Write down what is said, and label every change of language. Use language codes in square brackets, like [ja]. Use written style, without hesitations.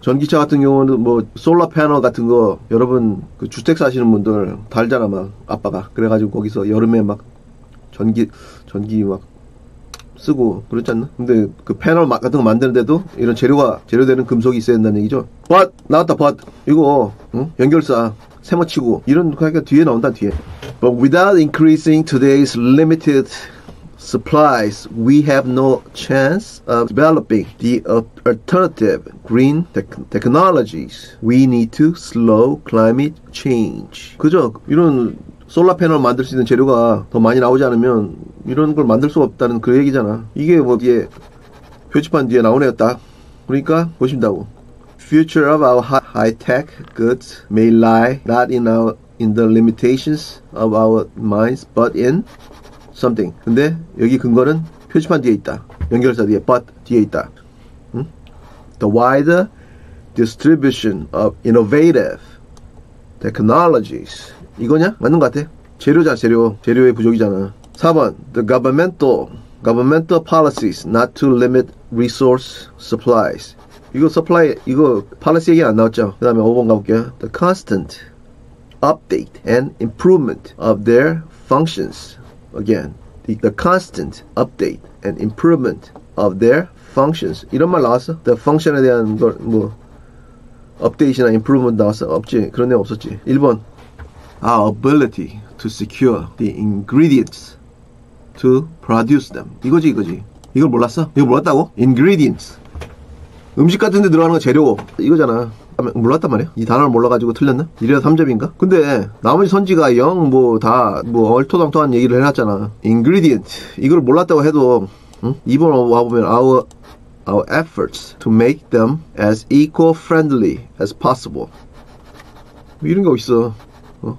[ko] 전기차 같은 경우는 뭐 솔라 패널 같은 거 여러분 그 주택 사시는 분들 달잖아 막 아빠가 그래가지고 거기서 여름에 막 전기 막 쓰고 그렇지 않나? 근데 그 패널 막 같은 거 만드는데도 이런 재료되는 금속이 있어야 된다는 얘기죠. But 나왔다 but 이거 응? 연결사 세모치고 이런 그러니까 뒤에 나온다 뒤에. [en] But without increasing today's limited supplies, we have no chance of developing the alternative green technologies. We need to slow climate change. [ko] 그죠? 이런 솔라 패널 만들 수 있는 재료가 더 많이 나오지 않으면 이런 걸 만들 수 없다는 그 얘기잖아. 이게 뭐 뒤에 표지판 뒤에 나오네요 딱. 그러니까 보신다고. [en] Future of our high-tech goods may lie not in the limitations of our minds, but in something. [ko] 근데 여기 근거는 표지판 뒤에 있다. 연결사 뒤에 but 뒤에 있다. 응? [en] The wider distribution of innovative technologies. [ko] 이거냐? 맞는 것 같아. 재료자 재료. 재료의 부족이잖아. 4번. [en] The governmental policies not to limit resource supplies. [ko] 이거 supply 이거 policy 얘기 안 나왔죠? 그다음에 5번 가볼게요. [en] The constant update and improvement of their functions. Again, the constant update and improvement of their functions. [ko] 이런 말 나왔어? The function에 대한 걸 뭐 update이나 improvement 나왔어? 없지. 그런 내용 없었지. 1번 [en] Our ability to secure the ingredients to produce them. [ko] 이거지. 이걸 몰랐어? 이거 몰랐다고? Ingredients. 음식 같은 데 들어가는 거 재료. 이거잖아. 몰랐단 말이야? 이 단어를 몰라가지고 틀렸나? 이래서 3점인가? 근데 나머지 선지가 영 뭐 다 뭐 얼토당토한 얘기를 해놨잖아 Ingredient 이걸 몰랐다고 해도 응? 2번 와보면 [en] Our efforts to make them as eco-friendly as possible [ko] 뭐 이런 게 어딨어 어?